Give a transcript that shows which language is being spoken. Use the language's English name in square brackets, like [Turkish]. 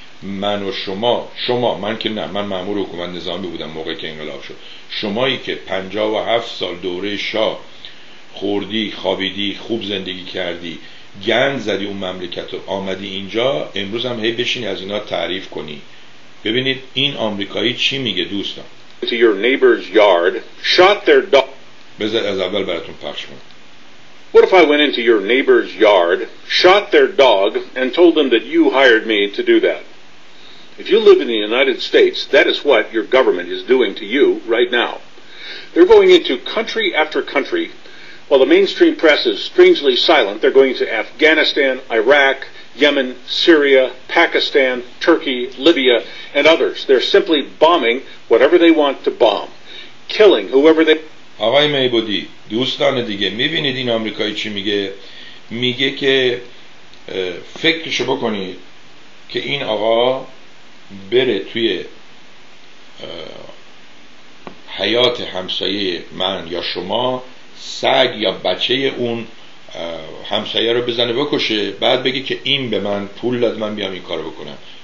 [Persian] من و شما، شما من که نه، من مأمور حکومت نظامی بودم موقعی که انقلاب شد، شمایی که 57 سال دوره شاه خوردی، خوابیدی، خوب زندگی کردی، گند زدی اون مملکت رو، آمدی اینجا امروز هم هی بشینی از اینا تعریف کنی. ببینید این آمریکایی چی میگه دوستان. بذار از اول براتون پخش کنم. [English] What if I went into your neighbor's yard, shot their dog, and told them that you hired me to do that? If you live in the United States, that is what your government is doing to you right now. They're going into country after country. While the mainstream press is strangely silent, they're going to Afghanistan, Iraq, Yemen, Syria, Pakistan, Turkey, Libya, and others. They're simply bombing whatever they want to bomb, killing whoever they... [Persian] آقای میبودی، دوستان دیگه، میبینید این آمریکایی چی میگه؟ میگه که فکرشو بکنید که این آقا بره توی حیات همسایه من یا شما سگ یا بچه اون همسایه رو بزنه بکشه، بعد بگی که این به من پول داد من بیام این کارو بکنم.